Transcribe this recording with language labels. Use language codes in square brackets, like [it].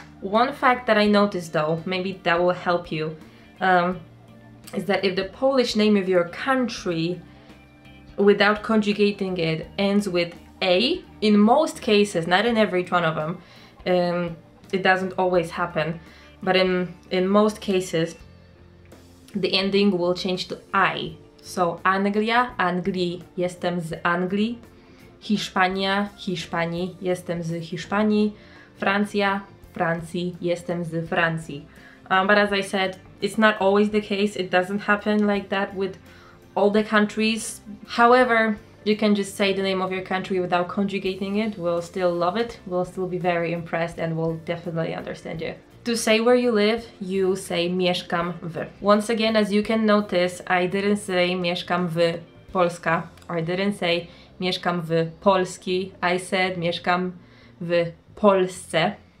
[en] One fact that I noticed though, maybe that will help you, is that if the Polish name of your country without conjugating it ends with a, in most cases, not in every one of them, it doesn't always happen, but in most cases the ending will change to I. So [pl] Anglia, Anglii, jestem z Anglii. Hiszpania, Hiszpanii, jestem z Hiszpanii. Francja, Francji, jestem z Francji. [en] But as I said, it's not always the case, it doesn't happen like that with all the countries. However, you can just say the name of your country without conjugating it. We'll still love it, we'll still be very impressed, and we'll definitely understand you. To say where you live, you say [pl] mieszkam w. [en] Once again, as you can notice, I didn't say [pl] mieszkam w Polska, [en] or I didn't say [pl] mieszkam w Polski, [en] I said [pl] mieszkam w Polsce.